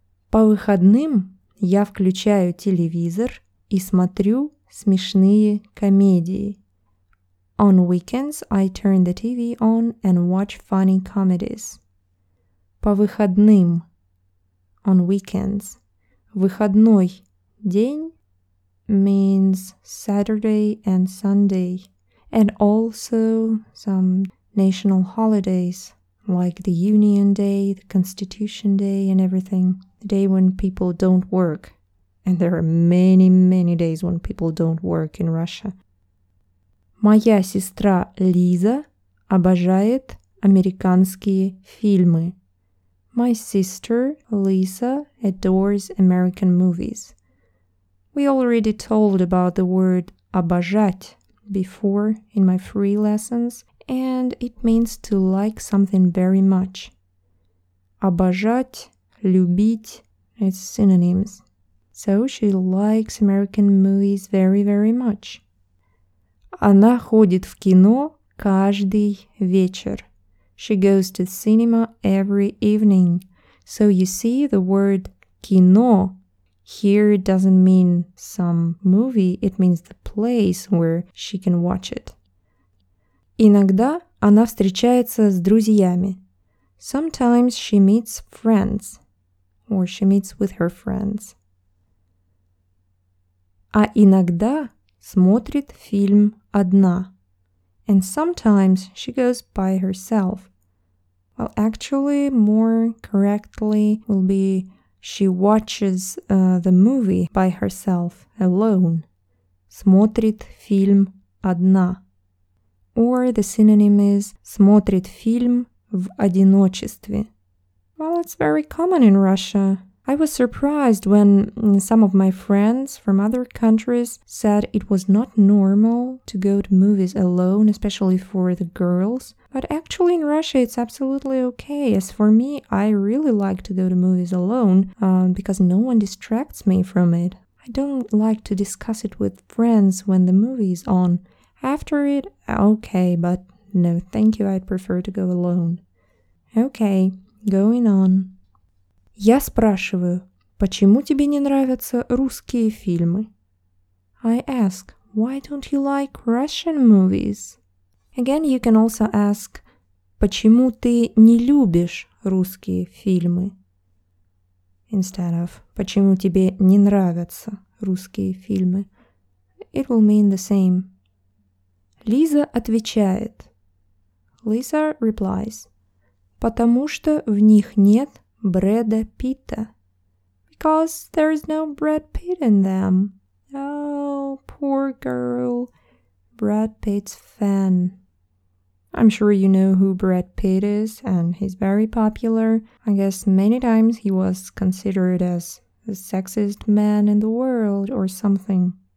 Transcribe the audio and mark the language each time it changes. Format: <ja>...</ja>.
<ru>По выходным я включаю телевизор и смотрю смешные комедии.</ru> <en>On weekends, I turn the TV on and watch funny comedies.</en> <ru>По выходным.</ru> <en>On weekends.</en> <ru>Выходной день</ru> <en>means Saturday and Sunday. And also some national holidays, like the Union Day, the Constitution Day and everything. The day when people don't work. And there are many, many days when people don't work in Russia.</en> <ru>Моя сестра Лиза обожает американские фильмы.</ru> <en>My sister Lisa adores American movies. We already told about the word обожать before in my free lessons, and it means to like something very much.</en> <ru>Обожать, любить,</ru> <en>it's synonyms. So she likes American movies very, very much.</en> <ru>Она ходит в кино каждый вечер.</ru> <en>She goes to cinema every evening. So you see the word кино here doesn't mean some movie, it means the place where she can watch it.</en> <ru>Иногда она встречается с друзьями.</ru> <en>Sometimes she meets friends, or she meets with her friends.</en> <ru>А иногда смотрит фильм одна.</ru> <en>And sometimes she goes by herself. Well, actually, more correctly will be she watches the movie by herself, alone.</en> <ru>Смотрит фильм одна.</ru> <en>Or the synonym is</en> <ru>смотрит фильм в одиночестве.</ru> <en>Well, it's very common in Russia. I was surprised when some of my friends from other countries said it was not normal to go to movies alone, especially for the girls. But actually in Russia it's absolutely okay. As for me, I really like to go to movies alone because no one distracts me from it. I don't like to discuss it with friends when the movie is on. After it, okay, but no, thank you, I'd prefer to go alone. Okay, going on.</en> <ru>Я спрашиваю, почему тебе не нравятся русские фильмы?</ru> <en>I ask, why don't you like Russian movies? Again, you can also ask,</en> <ru>почему ты не любишь русские фильмы?</ru> <en>Instead of,</en> <ru>почему тебе не нравятся русские фильмы?</ru> <en>It will mean the same.</en> <ru>Лиза отвечает.</ru> <en>Lisa replies,</en> <ru>потому что в них нет Брэда Питта.</ru> <en>Because there is no Brad Pitt in them. Oh, poor girl. Brad Pitt's fan. I'm sure you know who Brad Pitt is, and he's very popular. I guess many times he was considered as the sexiest man in the world or something.</en>